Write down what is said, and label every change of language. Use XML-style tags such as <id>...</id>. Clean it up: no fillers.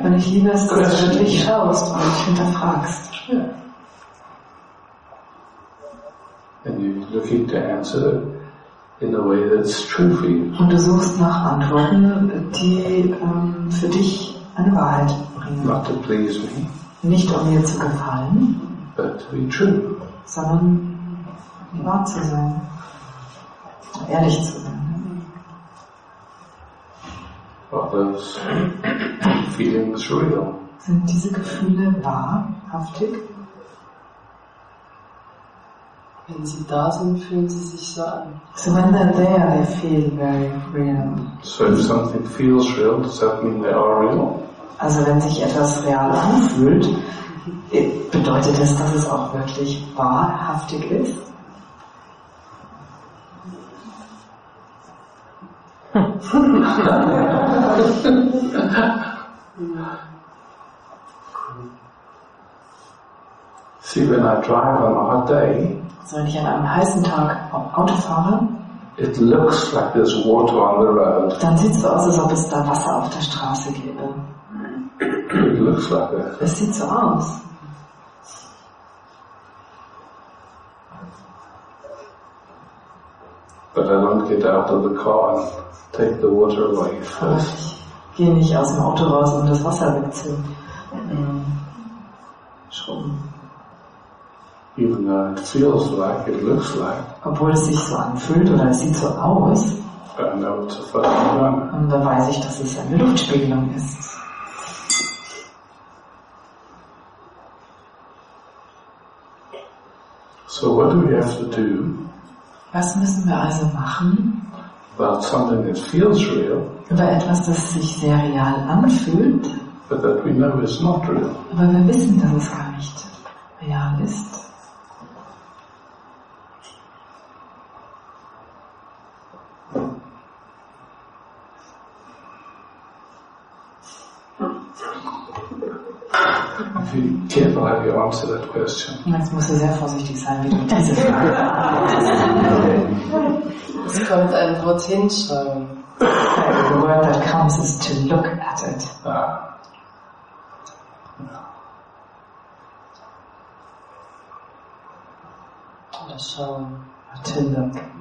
<de>Wenn ich liebe, dass du wirklich schaust und dich hinterfragst.</de> <en>Yeah. And you're looking to answer in a way that's true for you.</en> <de>Und du suchst nach Antworten, die für dich eine Wahrheit bringen.</de> <en>Not to please me.</en> <de>Nicht um mir zu gefallen.</de> <en>But to be true.</en> <de>Sondern wahr zu sein. Ehrlich zu sein.</de> <en>Are those feelings real?</en> <de>Sind diese Gefühle wahrhaftig? Wenn sie da sind, fühlen sie sich so an.</de> <en>So when they're there, they feel very real. So if something feels real, does that mean they are real?</en> <de>Also wenn sich etwas real anfühlt, bedeutet das, dass es auch wirklich wahrhaftig ist?</de> <en>See, when I drive on a hot day,</en> <de>so wenn ich an einem heißen Tag Auto fahre,</de> <en>it looks like there's water on the road.</en> <de>Dann sieht es so aus, als ob es da Wasser auf der Straße gäbe.</de> <en>It looks like it.</en> <de>Es sieht so aus.</de> <en>But I don't get out of the car and take the water away first.</en> <de>Ich gehe nicht aus dem Auto raus, um das Wasser wegzuschrubben.</de> <en>Even though it feels like, it looks like.</en> <de>Obwohl es sich so anfühlt oder es sieht so aus.</de> <en>But I know it's a fucking gun.</en> <de>Und da weiß ich, dass es eine Luftspiegelung ist.</de> <en>So what do we have to do?</en> <de>Was müssen wir also machen?</de> <en>About something that feels real.</en> <de>Über etwas, das sich sehr real anfühlt.</de> <en>But that we know is not real.</en> <de>Aber wir wissen, dass es gar nicht real ist. Jetzt musst du sehr vorsichtig sein, wie du diese Frage antwortest. Es kommt ein Wort hinschreiben.</de> <en>The word that comes is to look at it.</en> <de>Oder schauen.</de> <en>To look.</en>